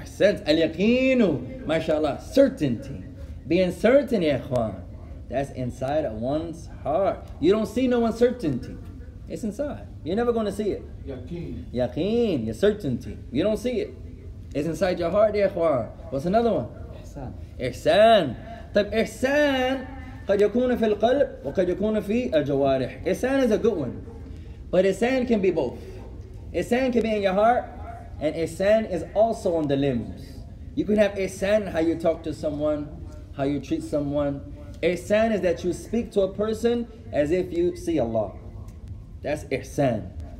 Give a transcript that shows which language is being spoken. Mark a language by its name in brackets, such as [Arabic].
[English] Accent. Al-Yaqeen. MashaAllah. Certainty. Being certain, Ikhwan. That's inside of one's heart. You don't see no uncertainty. It's inside. You're never going to see it. Yaqeen. Yaqeen, your certainty. You don't see it. It's inside your heart, Ikhwan. What's another one? Ihsan. [Arabic] طيب, Ihsan, قد يكون في القلب وقد يكون في الجوارح. [English] Ihsan is a good one. But Ihsan can be both. Ihsan can be in your heart, and Ihsan is also on the limbs. You can have Ihsan how you talk to someone, how you treat someone. Ihsan is that you speak to a person as if you see Allah. That's Ihsan.